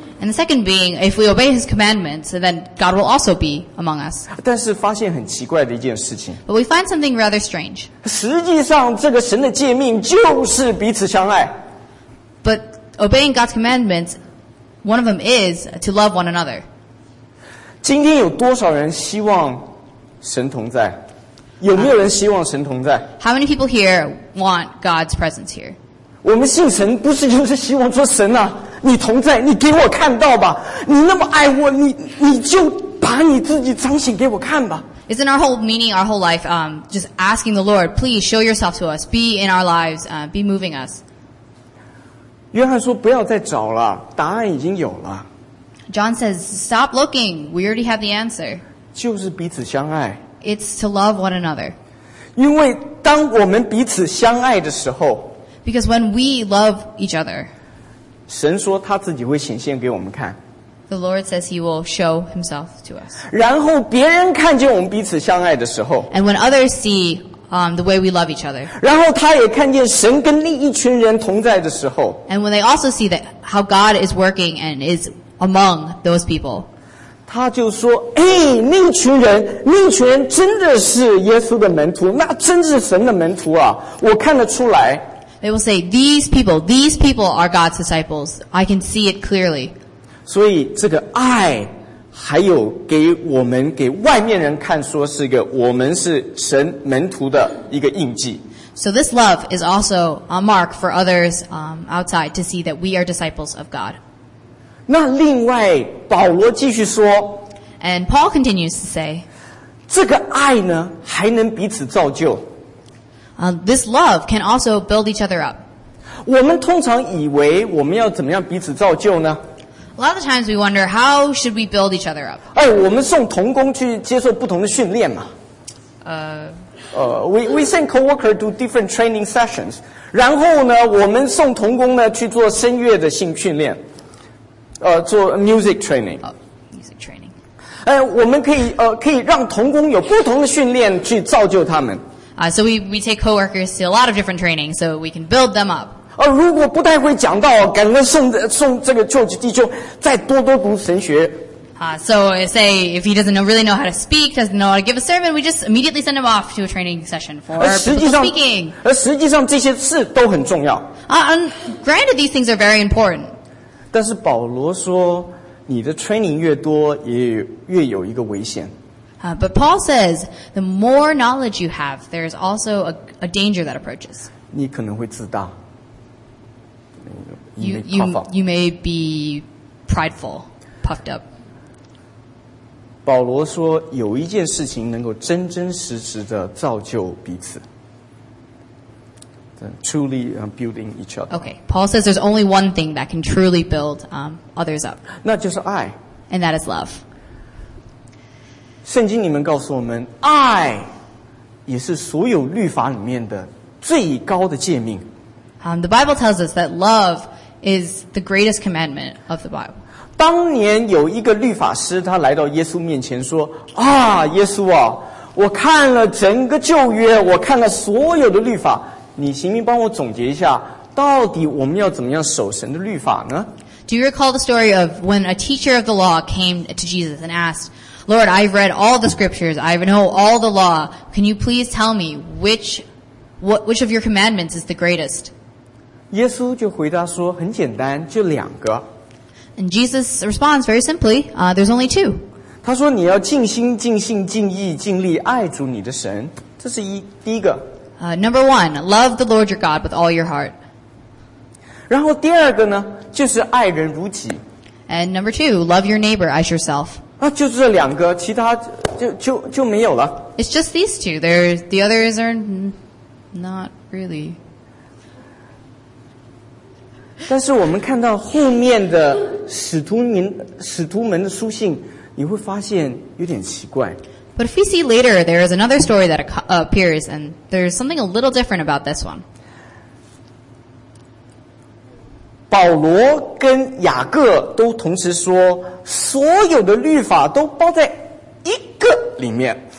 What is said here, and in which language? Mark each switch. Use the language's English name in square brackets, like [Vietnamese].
[English] And the second being, if we obey his commandments, then God will also be among us. [Chinese] 但是发现很奇怪的一件事情, [English] but we find something rather strange. [Chinese] 实际上这个神的诫命就是彼此相爱。 [English] But obeying God's commandments, one of them is to love one another. [Chinese] 今天有多少人希望神同在? 有没有人希望神同在? [English] How many people here want God's presence here? [Chinese] 我们信神不是就是希望说神啊, 你同在,你给我看到吧, 你那么爱我,你就把你自己彰显给我看吧。 [English] Isn't our whole meaning, our whole life, just asking the Lord, please show yourself to us, be in our lives, be moving us. [Chinese] 约翰说不要再找了, 答案已经有了。 [English] John says, stop looking. We already have the answer. [Chinese] 就是彼此相爱。 [English] It's to love one another. [Chinese] 因为当我们彼此相爱的时候， [English] Because when we love each other, [Chinese] 神说他自己会显现给我们看。 [English] The Lord says he will show himself to us. [Chinese] 然后别人看见我们彼此相爱的时候， [English] And when others see the way we love each other. [Chinese] 然后他也看见神跟另一群人同在的时候， [English] And when they also see that how God is working and is among those people. [Chinese] 他就说，哎，那群人真的是耶稣的门徒，那真是神的门徒啊，我看得出来。 [English] They will say, these people are God's disciples. I can see it clearly. [Chinese] 所以这个爱还有给我们给外面人看说是一个我们是神门徒的一个印记。 [English] So this love is also a mark for others outside to see that we are disciples of God. [Chinese] 那另外保罗继续说， [English] And Paul continues to say, [Chinese] 这个爱呢还能彼此造就。 [English] This love can also build each other up. [Chinese] 我们通常以为我们要怎么样彼此造就呢？ [English] A lot of times we wonder, how should we build each other up? [Chinese] 哎，我们送同工去接受不同的训练嘛。 [English] We send co-worker to different training sessions. [Chinese] 然后呢，我们送同工呢去做声乐的性训练，做 [English] music training. Music training. [Chinese] 哎，我们可以让同工有不同的训练去造就他们。 [English] So we take co-workers to a lot of different training so we can build them up. [Chinese] 如果不太会讲到，赶快送这个George弟兄再多多读神学。 [English] So say if he doesn't really know how to speak, doesn't know how to give a sermon, we just immediately send him off to a training session for speaking. [Chinese] 而实际上这些事都很重要。 [English] Granted, these things are very important. [Chinese] 但是保罗说，你的training越多，也越有一个危险。 [English] But Paul says, the more knowledge you have, there's also a danger that approaches. [Chinese] 你可能会自大。 [English] You may be prideful, puffed up. [Chinese] 保罗说有一件事情能够真真实实的造就彼此。 [English] Truly building each other. Okay, Paul says there's only one thing that can truly build others up. [Chinese] 那就是爱。 [English] And that is love. [Chinese] 圣经里面告诉我们，爱也是所有律法里面的最高的诫命。 [English] The Bible tells us that love is the greatest commandment of the Bible. [Chinese] 当年有一个律法师，他来到耶稣面前说：“啊，耶稣啊，我看了整个旧约，我看了所有的律法，你行不行帮我总结一下，到底我们要怎么样守神的律法呢？” [English] Do you recall the story of when a teacher of the law came to Jesus and asked, "Lord, I've read all the scriptures. I know all the law. Can you please tell me which of your commandments is the greatest?" [Chinese] 耶稣就回答说，很简单，就两个。 [English] And Jesus responds very simply, there's only two. [Chinese] 他说你要尽心、尽性、尽意、尽力爱主你的神，这是第一个。 [English] Number one, love the Lord your God with all your heart. [Chinese] 然后第二个呢，就是爱人如己。 [English] And number two, love your neighbor as yourself. [Chinese] 那就是这两个，其他就没有了。 [English] It's just these two. The others are not really... [Chinese] 但是我们看到后面的使徒们的书信，你会发现有点奇怪。 [English] But if we see later, there is another story that appears, and there's something a little different about this one. [Chinese] 保罗跟雅各都同时说，所有的律法都包在一个里面。